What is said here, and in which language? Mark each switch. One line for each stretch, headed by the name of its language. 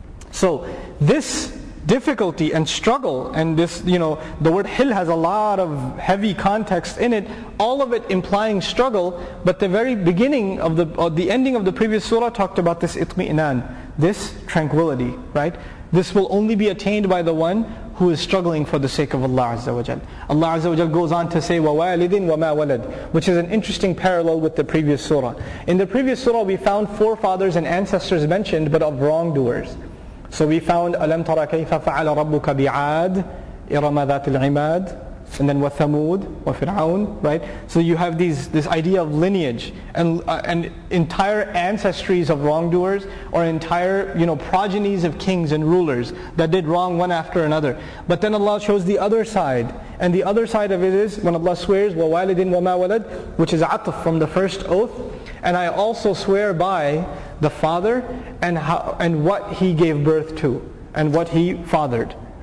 English: So this difficulty and struggle and this, you know, the word hil has a lot of heavy context in it, all of it implying struggle, but the very beginning of the ending of the previous surah talked about this itmi'inan, this tranquility, right? This will only be attained by the one who is struggling for the sake of Allah Azza wa Jal. Allah Azza wa Jal goes on to say,
Arabic: وَوَالِدٍ وَمَا وَلَدٍ
English: Which is an interesting parallel with the previous surah. In the previous surah, we found forefathers and ancestors mentioned, but of wrongdoers. So we found,
Arabic: أَلَمْ تَرَ كَيْفَ فَعَلَ رَبُّكَ بِعَادٍ إِرَمَ ذَاتِ الْعِمَادِ
English: and then وثمود وفرعون, right? So you have this idea of lineage and entire ancestries of wrongdoers, or entire, you know, progenies of kings and rulers that did wrong one after another. But then Allah shows the other side, and the other side of it is when Allah swears
Arabic: وَوَالِدٍ وَمَا وَلَدٍ,
English: which is عَطْف from the first oath, and I also swear by the father and how and what he gave birth to and what he fathered.